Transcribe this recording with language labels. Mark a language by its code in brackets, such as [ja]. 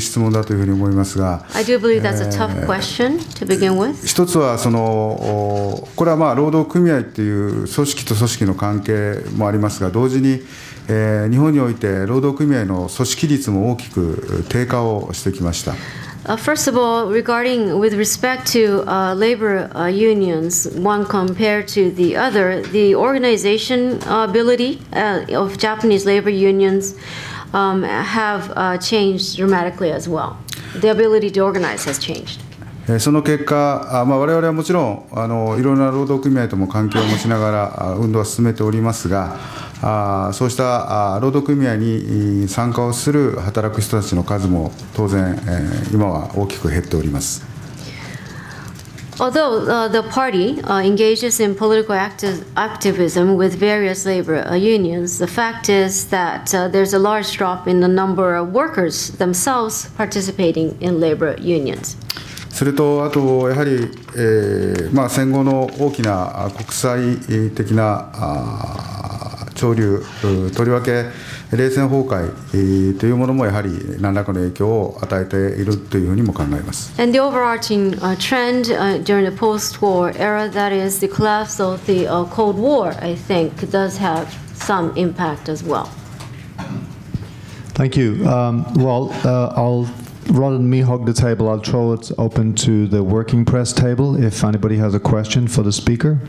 [en] I do believe that's a tough question to begin with. [ja] 一つはそのこれはまあ労働組合という組織と組織の関係もありますが、同時に日本において労働組合の組織率も大きく低下をしてきました。 [en] First of all, regarding with respect to labor unions, one compared to the other, the organization ability of Japanese labor unions have changed dramatically as well. The ability to organize has changed. [ja] その結果、我々はもちろんいろんな労働組合とも関係を持ちながら運動は進めておりますが、そうした労働組合に参加をする働く人たちの数も当然今は大きく減っております。 [en] Although the party engages in political activism with various labor unions, the fact is that there's a large drop in the number of workers themselves participating in labor unions. [ja] それとあとやはり、まあ、戦後の大きな国際的な潮流とりわけ冷戦崩壊というものもやはり何らかの影響を与えているというふうにも考えます。 [en] And the overarching trend during the post-war era, that is the collapse of the Cold War, I think, does have some impact as well. Thank you. I'll rather than me hog the table, I'll throw it open to the working press table if anybody has a question for the speaker.